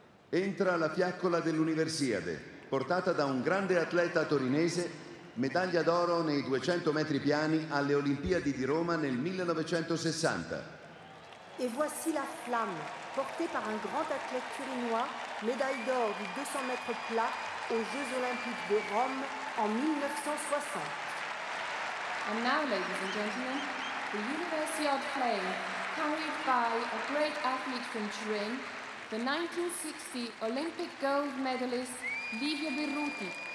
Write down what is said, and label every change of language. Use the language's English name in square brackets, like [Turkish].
[Italian] Entra la fiaccola dell'Universiade, portata da un grande atleta torinese, medaglia d'oro nei 200 metri piani alle Olimpiadi di Roma nel 1960. [French] Et voici la flamme, porté par un grand athlète turinois, médaille d'or du 200 mètres plat aux Jeux Olympiques de Rome en 1960. [English] And now, ladies and gentlemen, the University of Flame, carried by a great athlete from Turin, the 1960 Olympic gold medalist Livio Birruti.